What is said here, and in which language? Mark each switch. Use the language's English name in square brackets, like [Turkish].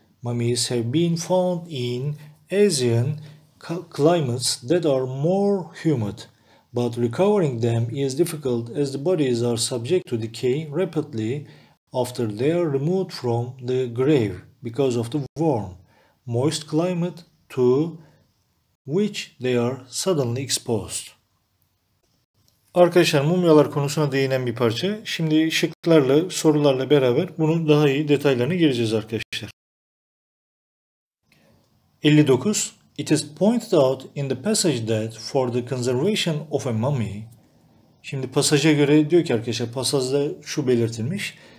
[English] Mummies have been found in Asian climates that are more humid, but recovering them is difficult as the bodies are subject to decay rapidly after they are removed from the grave because of the warm, moist climate to which they are suddenly exposed. [Turkish] Arkadaşlar mumyalar konusuna değinen bir parça. Şimdi şıklarla, sorularla beraber bunun daha iyi detaylarına gireceğiz arkadaşlar. 59. [English] It is pointed out in the passage that for the conservation of a mummy. [Turkish] Şimdi pasaja göre diyor ki arkadaşlar, pasajda şu belirtilmiş.